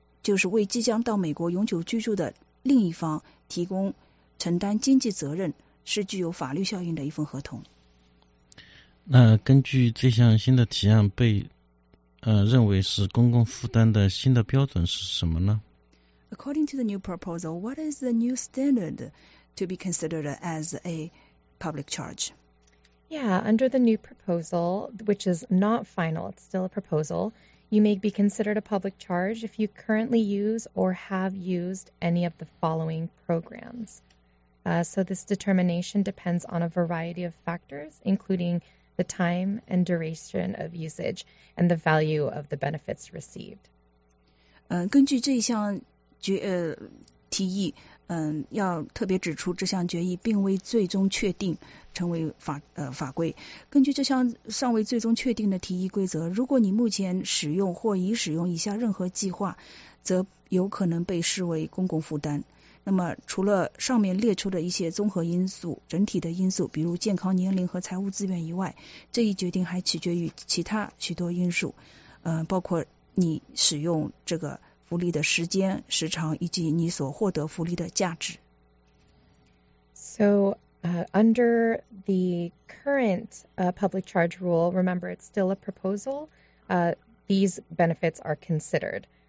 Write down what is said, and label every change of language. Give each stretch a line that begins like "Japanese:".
Chinese: 就是为即将到美国永久居住的另一方提供承担经济责任，是具有法律效应的一份合同。那根据这项新的提案被认为是公共负担的新的标准是什么呢？
English: According to the new proposal, what is the new standard to be considered as a public charge? Yeah, under the new proposal, which is not final, it's still a proposal,You may be considered a public charge if you currently use or have used any of the following programs. So this determination depends on a variety of factors, including the time and duration of usage and the value of the benefits received.
Chinese: 根据这项提议，要特别指出这项决议并未最终确定成为法规。根据这项尚未最终确定的提议规则，如果你目前使用或已使用以下任何计划，则有可能被视为公共负担。那么，除了上面列出的一些综合因素、整体的因素，比如健康、年龄和财务资源以外，这一决定还取决于其他许多因素，包括你使用这个福利的时间、时长以及你所获得福利的价值。
English: So, under the current, public charge rule, remember it's still a proposal, these benefits are considered.